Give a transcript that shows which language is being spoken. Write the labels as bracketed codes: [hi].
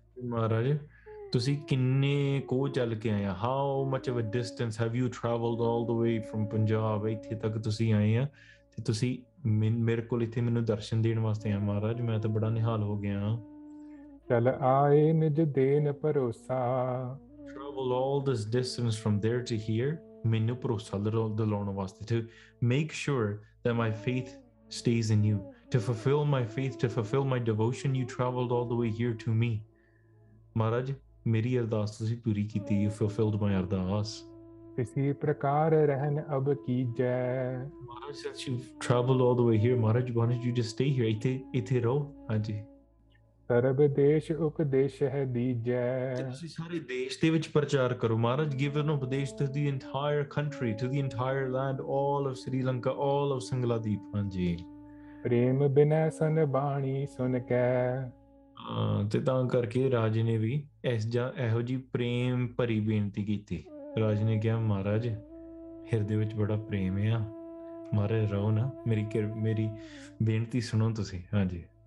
[pa] ਮਹਾਰਾਜ ਤੁਸੀਂ ਕਿੰਨੇ ਕੋਹ ਚੱਲ ਕੇ ਆਏ ਆ [en] how much of a distance have you travelled all the way from [pa] Punjab ਇੱਥੇ ਤੱਕ ਤੁਸੀਂ ਆਏ ਆ ਤੇ ਤੁਸੀਂ ਮੇਰੇ ਕੋਲ ਇੱਥੇ ਮੈਨੂੰ ਦਰਸ਼ਨ ਦੇਣ ਵਾਸਤੇ ਆਏ ਮਹਾਰਾਜ ਮੈਂ ਤਾਂ ਬੜਾ ਨਿਹਾਲ ਹੋ ਗਿਆ ਚੱਲ ਆਏ ਨਿਜ ਦੇਨ ਭਰੋਸਾ [en] travel all this distance from there to here [pa] mainu bharosa dilawan waste [en] to make sure that my faith stays in you to fulfill my faith to fulfill my devotion you traveled all the way here to me [pa] maharaj meri ardaas tusi puri kiti [en] you fulfilled my ardaas [pa] isi prakar rehne ab ki jai [en] maharaj since you traveled all the way here maharaj why don't you just stay here [pa] ithe raho haji ਸਰਬ ਦੇਸ਼ ਉਪਦੇਸ਼ ਹੈ ਦੀਜੈ ਤੁਸੀਂ ਸਾਰੇ ਦੇਸ਼ ਦੇ ਵਿੱਚ ਪ੍ਰਚਾਰ ਕਰੋ ਮਹਾਰਾਜ [en] give no upadesh to the entire country to the entire land all of Sri Lanka all of Sangladip ਹਾਂਜੀ [pa] ਪ੍ਰੇਮ ਬਿਨੈ ਸਨ ਬਾਣੀ ਸੁਨ ਕੈ ਤੇ ਤਾਂ ਕਰਕੇ ਰਾਜ ਨੇ ਵੀ ਇਸ ਜਾਂ ਇਹੋ ਜਿਹੀ ਪ੍ਰੇਮ ਭਰੀ ਬੇਨਤੀ ਕੀਤੀ ਰਾਜ ਨੇ ਕਿਹਾ ਮਹਾਰਾਜ ਹਿਰਦੇ ਵਿੱਚ ਬੜਾ ਪ੍ਰੇਮ ਆ ਮਹਾਰਾਜ ਰਹੋ ਨਾ ਮੇਰੀ ਮੇਰੀ ਬੇਨਤੀ ਸੁਣੋ ਤੁਸੀਂ ਹਾਂਜੀ